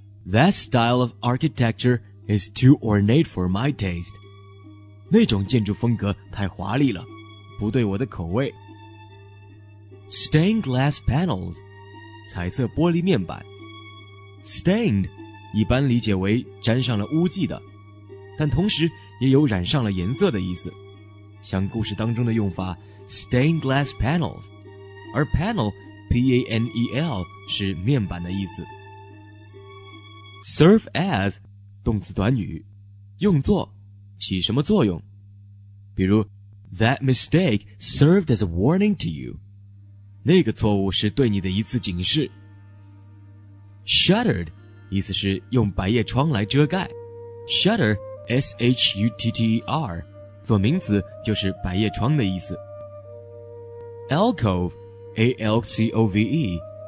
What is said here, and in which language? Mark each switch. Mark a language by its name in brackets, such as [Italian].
[English] That style of architecture is too ornate for my taste. [Chinese] 那种建筑风格太华丽了，不对我的口味。 [English] Stained glass panels, [Chinese] 彩色玻璃面板。 [English] Stained, [Chinese] 一般理解为沾上了污迹的，但同时也有染上了颜色的意思，像故事当中的用法 [English] stained glass panels， [Chinese] 而 panel P-A-N-E-L 是面板的意思。 [English] serve as [Chinese] 动词短语，用作起什么作用，比如 [English] that mistake served as a warning to you， [Chinese] 那个错误是对你的一次警示。 [English] shuttered [Chinese] 意思是用百叶窗来遮盖， [English] shutter S-H-U-T-T-E-R [Chinese] 做名词就是百叶窗的意思。 [English] Alcove A-L-C-O-V-E